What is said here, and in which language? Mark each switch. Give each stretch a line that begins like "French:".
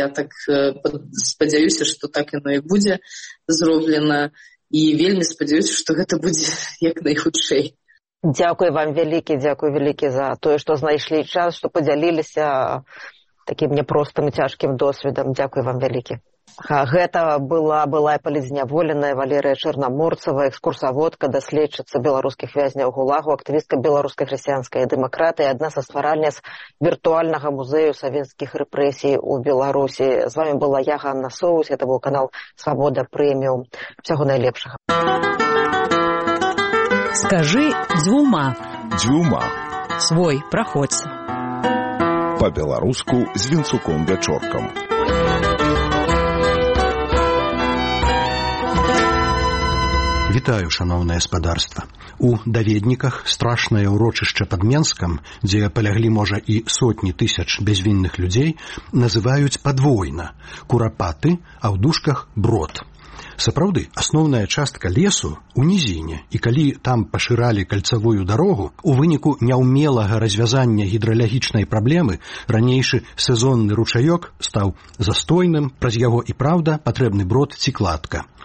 Ukrainian: Я так сподіваюся, що так воно і буде зроблено. І вельми сподіваюся, що це буде як найхудшей. Дякую вам великі, дякую великі за те, що знайшли час, що поділилися таким непростим і тяжким досвідом. Дякую вам великі.
Belarusian: Гэта была былая палізняволеная Валерыя Чарнаморцава, экскурсаводка, даследчыца беларускіх вязняў ГУЛАГу, актывістка беларускай хрысціянскай дэмакратыі, адна са стваральніц віртуальнага музею савецкіх рэпрэсій у Беларусі. З вамі была я, Ганна Соус, гэта быў канал Свабода Прэміум. Усяго найлепшага. Скажы дзвюма. Дзвюма. Свой, праходзь. Па-беларуску з Вінцуком Вячоркам.
Ukrainian: Вітаю, шановне господарство.
Belarusian: У даведніках страшнае ўрочышча пад Менскам, дзе паляглі, можа, і сотні тысяч безвінных людзей, называюць падвойна – курапаты, а ў дужках – брод. Сапраўды, асноўная частка лесу ў нізіне, і калі там пашыралі кальцавую дарогу, у выніку няўмелага развязання гідралагічнай праблемы ранейшы сезонны ручаёк стаў застойным, праз яго і праўда патрэбны брод ці кладка.